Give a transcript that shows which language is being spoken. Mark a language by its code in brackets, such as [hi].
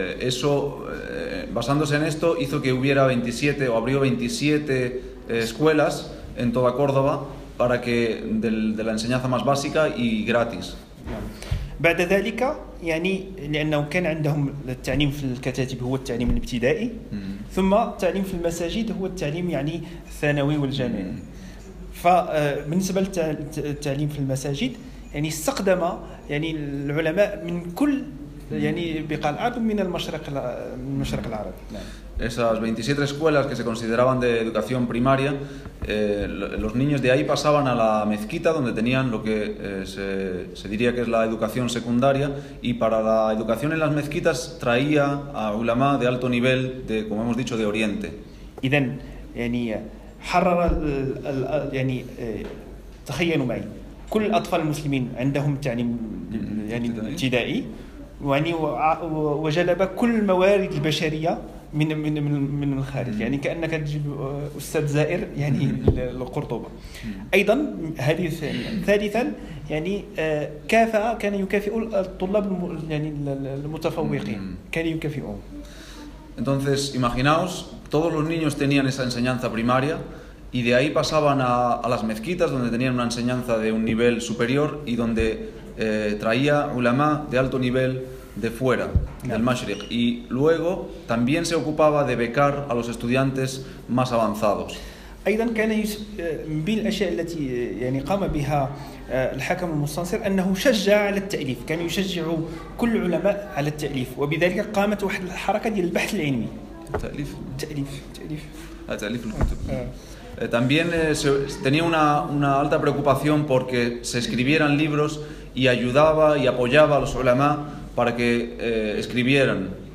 [es] Eso basándose en esto hizo que hubiera 27 o abrió 27 escuelas en toda Córdoba para que de la enseñanza más básica y gratis. [ar] بعد ذلك يعني لأنه كان عندهم التعليم في الكتاتيب هو التعليم الابتدائي ثم التعليم في المساجد هو التعليم يعني الثانوي والجامعي. فبالنسبة للتعليم في المساجد يعني استخدم يعني العلماء من كل يعني بقاع الأرض من المشرق العربي. [es] Esas 27 escuelas que se consideraban de educación primaria, los niños de ahí pasaban a la mezquita donde tenían lo que se diría que es la educación secundaria, y para la educación en las mezquitas traía a ulama de alto nivel, de, como hemos dicho, de Oriente. [ar] إذن يعني حرر ال يعني تخيلوا معي كل أطفال المسلمين عندهم تعليم يعني ابتدائي يعني وجلب كل موارد البشرية من الخارج يعني كأنك تجيب أستاذ زائر يعني للقرطبة. أيضا هذه ثالثا يعني كان يكافئ الطلاب يعني المتفوقين كان يكافئهم. [es] Entonces imaginaos, todos los niños tenían esa enseñanza primaria y de ahí pasaban a las mezquitas donde tenían una enseñanza de un nivel superior y donde traía ulama de alto nivel de fuera, del Mashriq, y luego también se ocupaba de becar a los estudiantes más avanzados. [ar] أيضاً كان من الأشياء التي يعني قام بها الحاكم المستنصر أنه شجع على التأليف، كان يشجع كل العلماء على التأليف، وبذلك قامت واحد الحركة ديال البحث العلمي. تأليف الكتب. [es] También tenía una alta preocupación porque se escribieran libros y ayudaba y apoyaba a los ulama para que escribieran.